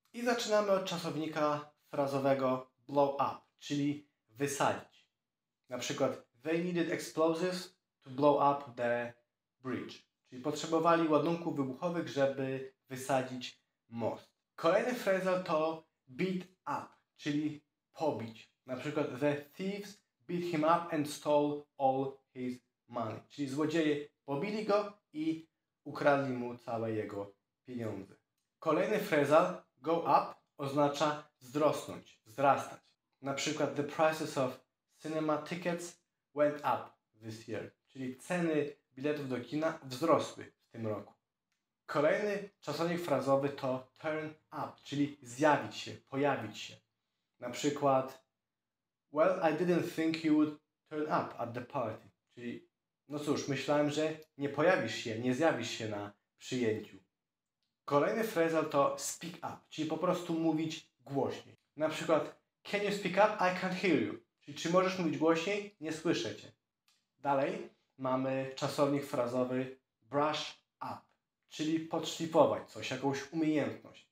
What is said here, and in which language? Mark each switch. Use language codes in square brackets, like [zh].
[pl] I zaczynamy od czasownika frazowego blow up, czyli wysadzić. Na przykład [en] they needed explosives to blow up the bridge. [pl] Czyli potrzebowali ładunków wybuchowych, żeby wysadzić most. Kolejny phrasal to beat up, czyli pobić. Na przykład [en] the thieves beat him up and stole all his money. [pl] Czyli złodzieje pobili go i ukradli mu całe jego pieniądze. Kolejny phrasal, go up, oznacza wzrosnąć, wzrastać. Na przykład [en] the prices of cinema tickets went up this year. [pl] Czyli ceny biletów do kina wzrosły w tym roku. Kolejny czasownik frazowy to turn up, czyli zjawić się, pojawić się. Na przykład, [en] well, I didn't think you would turn up at the party. [pl] Czyli, no cóż, myślałem, że nie pojawisz się, nie zjawisz się na przyjęciu. Kolejny phrasal to speak up, czyli po prostu mówić głośniej. Na przykład, [en] can you speak up? I can't hear you. [pl] Czyli czy możesz mówić głośniej? Nie słyszę cię. Dalej mamy czasownik frazowy brush up, czyli podszlifować coś, jakąś umiejętność.